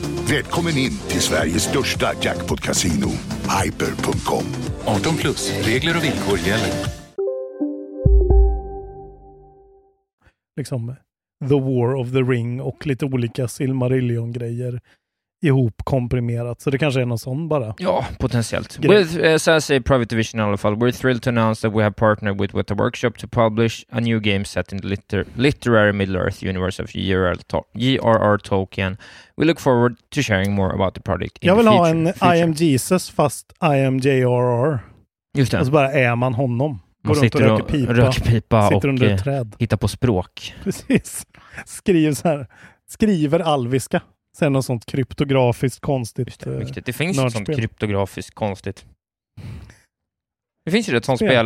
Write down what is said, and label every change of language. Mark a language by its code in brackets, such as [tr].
[sv] Välkommen in till Sveriges största jackpot-casino, hyper.com. 18 plus, regler och villkor gäller. Liksom The War of the Ring och lite olika Silmarillion-grejer ihop komprimerat, så det kanske är någon sån bara. Ja, potentiellt. [en] With SSA Private Division [sv] i alla fall, [en] we're thrilled to announce that we have partnered with Weta Workshop to publish a new game set in the literary Middle-earth universe of J.R.R. Tolkien. We look forward to sharing more about the project in [sv] Jag vill [en] the future, [sv] ha en [en] future. I am Jesus [sv] fast [en] I am J.R.R. [sv] Just det. Alltså bara är man honom. Man runt sitter och röker pipa sitter och hittar på språk. Precis. Skriver alviska. Sen något sånt kryptografiskt konstigt. Det finns ju sånt kryptografiskt konstigt. Det finns ju ett sånt spel.